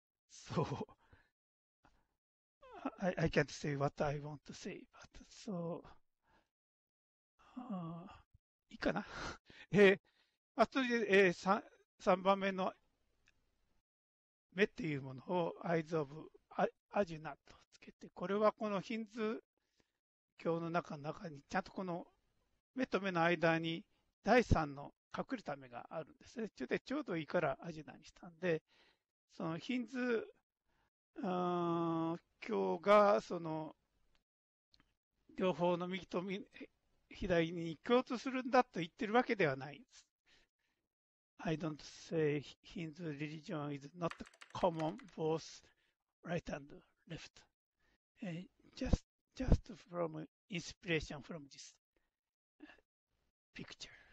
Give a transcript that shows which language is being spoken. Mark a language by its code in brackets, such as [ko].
[en] So, I can't say what I want to say, but so, [ja] いいかな。あとで、3番目の目っていうものを [en] Eyes of Arjuna [ja] とつけて、これはこのヒンズー教の中にちゃんとこの目と目の間に第三の隠れた目があるんですね。ちょうどいいからアジナにしたんで、そのヒンズー教がその両方の右と左に共通するんだと言ってるわけではないんです。 [en] I don't say Hindu religion is not common both right and left. Just from inspiration from this picture.